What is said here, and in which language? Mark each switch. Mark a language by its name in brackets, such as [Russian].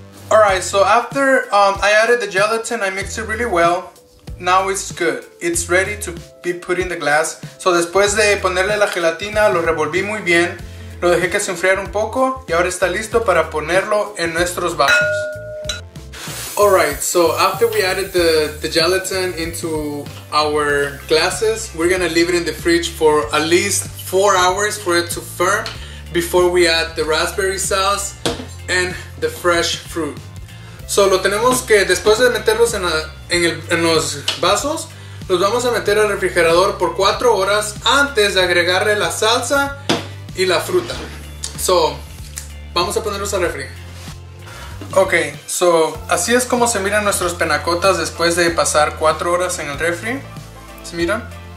[English] Alright, so after I added the gelatin, I mixed it really well. Now it's good. It's ready to be put in the glass. [Spanish] So después de ponerle la gelatina, lo revolví muy bien. Lo dejé que se enfriara un poco y ahora está listo para ponerlo en nuestros vasos. [English] Alright, so after we added the gelatin into our glasses, we're gonna leave it in the fridge for at least 4 hours for it to firm before we add the raspberry sauce and the fresh fruit. [Spanish] So lo tenemos que, después de meterlos en los vasos, los vamos a meter al refrigerador por 4 horas antes de agregarle la salsa y la fruta. So, vamos a ponerlos al refri. Ok, so, así es como se miran nuestros panacotas después de pasar 4 horas en el refri. ¿Se miran?